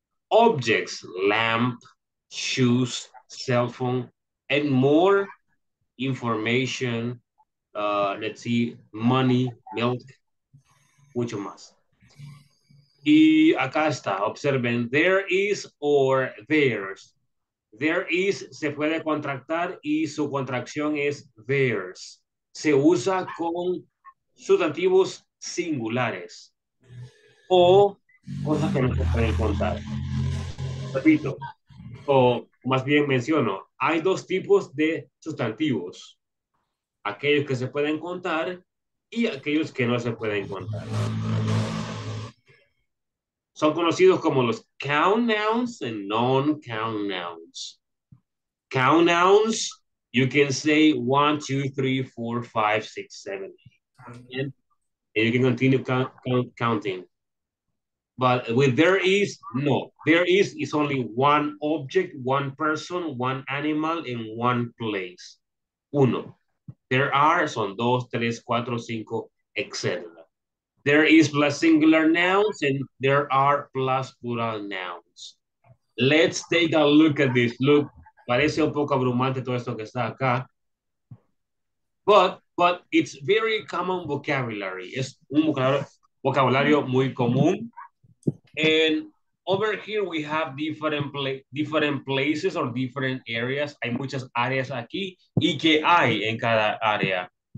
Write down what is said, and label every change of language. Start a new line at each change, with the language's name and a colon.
English: Objects, lamp, shoes, cell phone, and more information, let's see, money, milk,
Spanish: mucho más. Y acá está, observen,
English: there is or there's.
Spanish: There is se puede contractar y su contracción es there's. Se usa con sustantivos singulares o cosas que no se pueden contar. Repito, o más bien menciono, hay dos tipos de sustantivos. Aquellos que se pueden contar y aquellos que no se pueden contar. Son conocidos como los
English: count nouns and non-count nouns. Count nouns, you can say 1, 2, 3, 4, 5, 6, 7, 8. And you can continue counting. But with there is, no. There is only one object, one person, one animal, in one place.
Spanish: Uno.
English: There are,
Spanish: son dos, tres, cuatro, cinco, etc.
English: There is plus singular nouns and there are plus plural nouns. Let's take a look at this. Look,
Spanish: parece un poco abrumante todo esto que está acá.
English: But it's very common vocabulary.
Spanish: Es un vocabulario muy común.
English: And over here we have different places or different areas.
Spanish: Hay muchas áreas aquí y que hay en cada área.